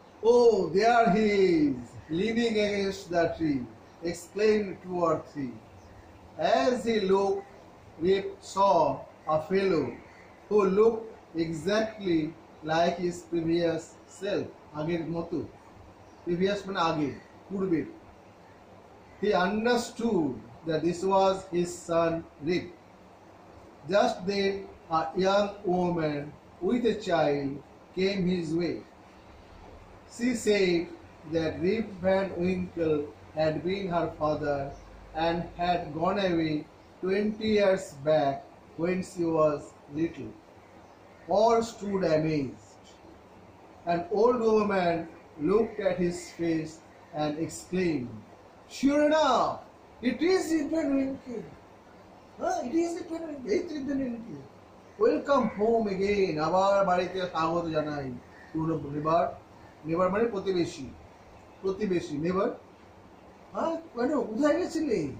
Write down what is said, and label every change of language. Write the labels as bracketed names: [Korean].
[English] Oh there he living against the tree explain to আর three, as he look Rip saw a fellow who look exactly like his previous self, আগের মতো, previous মানে আগে পূর্বে, he understood that this was his son Rip. Just then a young woman with a child came his way. She said that Rip Van Winkle had been her father and had gone away 20 years back when she was little. All stood amazed. An old woman looked at his face and exclaimed, "Sure enough, it is Rip Van Winkle. It is Rip Van Winkle. It is Rip Van Winkle. [Bangla] Welcome home again, আবার বাড়িতে স্বাগত জানাই, পুরনো নেবার, নেবার মানে প্রতিবেশী, প্রতিবেশী নেবার, হ্যাঁ কেন কোথায় গেছিলে,